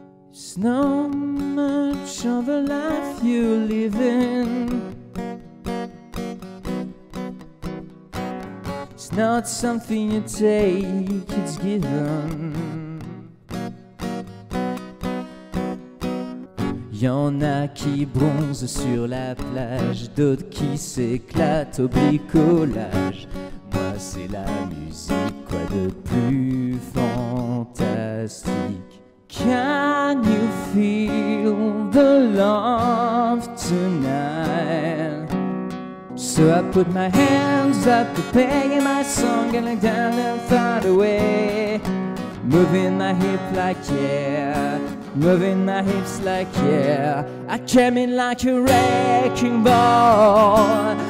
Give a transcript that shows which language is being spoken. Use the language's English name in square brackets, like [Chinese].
[English] It's not much of a life you live in. Not something you take, it's given. [French] Y'en a qui bronzent sur la plage, d'autres qui s'éclatent au bricolage. Moi c'est la musique, quoi de plus fantastique. [English] Can you feel the love tonight? So I put my hands up to play my song and lay down and far away. Moving my hip like yeah, moving my hips like yeah. I came in like a wrecking ball.